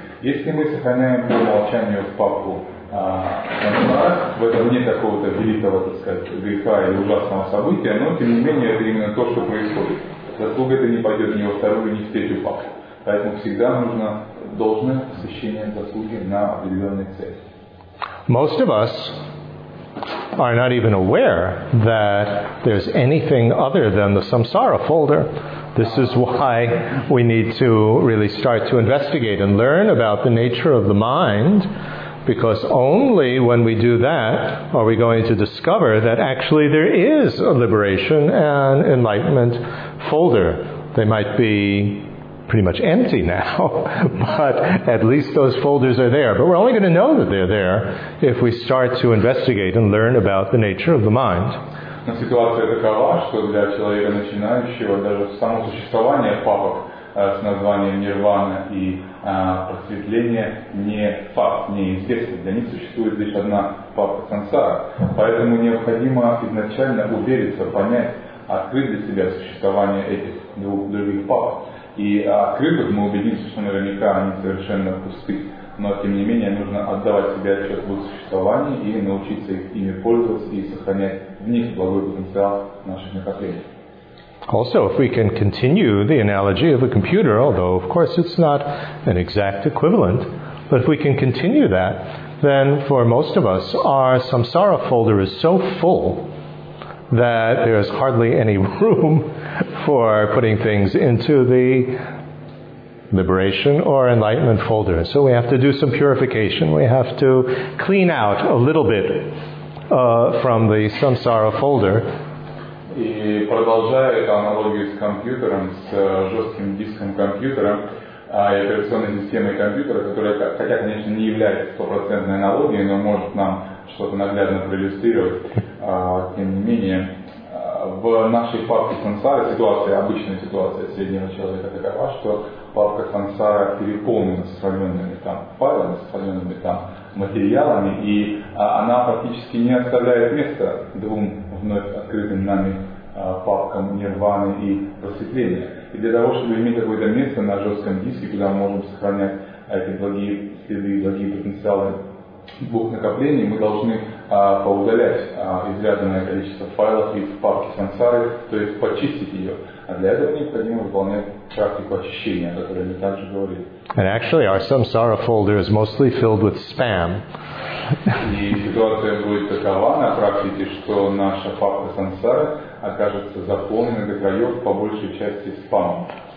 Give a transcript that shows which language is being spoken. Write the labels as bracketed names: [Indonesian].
[Russian] Если мы сохраняем по умолчанию папку сансара, в этом нет какого-то великого, так сказать, греха или ужасного события, но тем не менее это именно то, что происходит. Заслуга эта не пойдет ни во вторую, ни в третью папку. Поэтому всегда нужно должное посвящение заслуги на определенной цели. [English] Most of us are not even aware that there's anything other than the samsara folder. This is why we need to really start to investigate and learn about the nature of the mind, because only when we do that are we going to discover that actually there is a liberation and enlightenment folder. They might be pretty much empty now, but at least those folders are there. But we're only going to know that they're there if we start to investigate and learn about the nature of the mind. [Russian] Но ситуация такова, что для человека начинающего даже само существование папок с названием нирвана и просветление не факт, не известно. Для них существует лишь одна папка сансара. Поэтому необходимо изначально увериться, понять, открыть для себя существование этих двух других папок. И открытых мы убедимся, что наверняка они совершенно пусты. Но, тем не менее, нужно отдавать себе отчет в их существовании и научиться ими пользоваться и сохранять в них благой потенциал наших накоплений. [English] Also, if we can continue the analogy of a computer, although, of course, it's not an exact equivalent, but if we can continue that, then for most of us, our samsara folder is so full that there is hardly any room for putting things into the liberation or enlightenment folder. So we have to do some purification. We have to clean out a little bit from the samsara folder. [Russian] И продолжая эту аналогию с компьютером, с жестким диском компьютера, и операционной системой компьютера, которая, хотя, конечно, не является стопроцентной аналогией, но может нам что-то наглядно проиллюстрировать, тем не менее, в нашей папке сансары ситуация, обычная ситуация среднего человека такова, что папка сансара переполнена сохраненными там файлами, сохраненными там материалами, и она практически не оставляет места двум вновь открытым нами папкам нирваны и просветления. И для того, чтобы иметь какое-то место на жестком диске, куда мы можем сохранять эти благие следы, благие потенциалы двух накоплений, мы должны поудалять изрядное количество файлов из папки сансары, то есть почистить ее. А для этого необходимо выполнять практику очищения, о которой мы также говорили. [English] And actually, our samsara folder is mostly filled with spam. [Russian] И ситуация будет такова на практике, что наша папка сансары окажется заполнена до краев по большей части спамом.